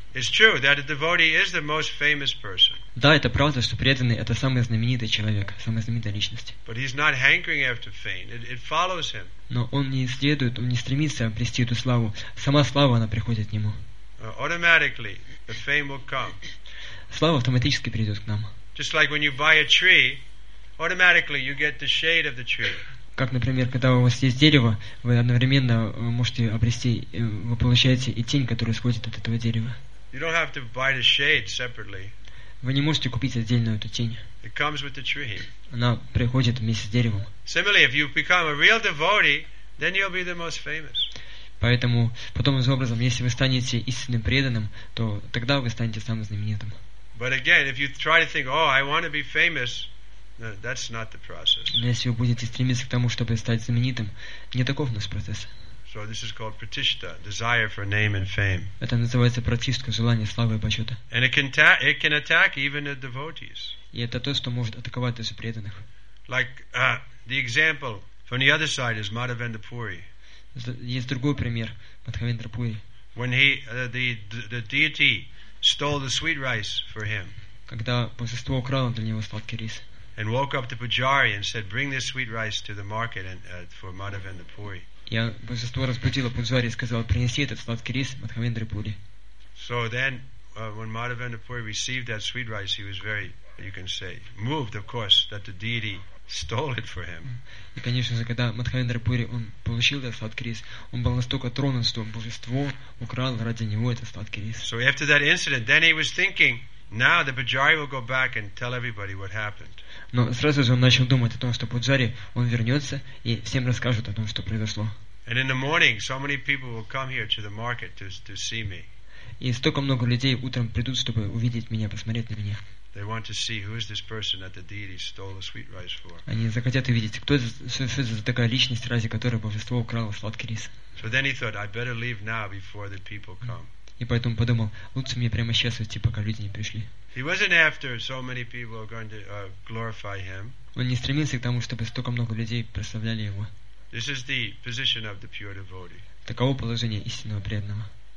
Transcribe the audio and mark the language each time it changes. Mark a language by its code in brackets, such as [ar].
[en] It's true that a devotee is the most famous person. [ru] Да, это правда, что преданный — это самый знаменитый человек, самая знаменитая личность. [en] But he's not hankering after fame. It follows him. [ru] Но он не следует, он не стремится обрести эту славу. Сама слава, она приходит к нему. [en] Automatically, the fame will come. [ru] Слава автоматически придет к нам. [en] Just like when you buy a tree, automatically you get the shade of the tree. [ru] Как, например, когда у вас есть дерево, вы одновременно можете обрести, вы получаете и тень, которая исходит от этого дерева. [en] You don't have to buy the shade separately. [ru] Вы не можете купить отдельно эту тень. [en] It comes with the tree. [ru] Она приходит вместе с деревом. [en] Similarly, if you become a real devotee, then you'll be the most famous. [ru] Поэтому, потом же образом, если вы станете истинным преданным, то тогда вы станете самым знаменитым. [en] But again, if you try to think, oh, I want to be famous, no, that's not the process. [ru] Но если вы будете стремиться к тому, чтобы стать знаменитым, не таков у нас процесс. [en] So this is called pratishtha, desire for name and fame. [ru] Это называется пратишка, желание славы и почета. [en] And it can attack even the devotees. [ru] И это то, что может атаковать даже преданных. [en] Like the example from the other side is Madhavendra Puri. [ru] Есть другой пример Мадхавендра Пури. [en] When he the deity stole the sweet rice for him. [ru] Когда божество украло для него сладкий рис. [en] And woke up the pujari and said, "Bring this sweet rice to the market and for Madhavendra Puri." [ru] Я божество разбудило пуджари и сказал, принеси этот сладкий рис Мадхавендра Пури. [en] So then, when Madhavendra Puri received that sweet rice, he was very, you can say, moved, of course, that the deity stole it for him. [ru] И конечно же, когда Мадхавендра Пури он получил этот сладкий рис, он был настолько тронут, что божество украло ради него этот сладкий рис. [en] So after that incident, then he was thinking, now the pujari will go back and tell everybody what happened. [ru] Но сразу же он начал думать о том, что пуджари, он вернется и всем расскажет о том, что произошло. [en] And in the morning, so many people will come here to the market to see me. [ru] И столько много людей утром придут, чтобы увидеть меня, посмотреть на меня. [en] They want to see who is this person that the deity stole the sweet rice for. [ru] Они захотят увидеть, кто это за такая личность, ради которой божество украло сладкий рис. [en] So then he thought, I better leave now before the people come. [ru] И поэтому подумал, лучше мне прямо сейчас уйти, пока люди не пришли. [en] He wasn't after so many people are going to glorify him. [ru] Он не стремился к тому, чтобы столько много людей прославляли его. [en] This is the position of the pure devotee. [ru] Таково положение истинного преданного.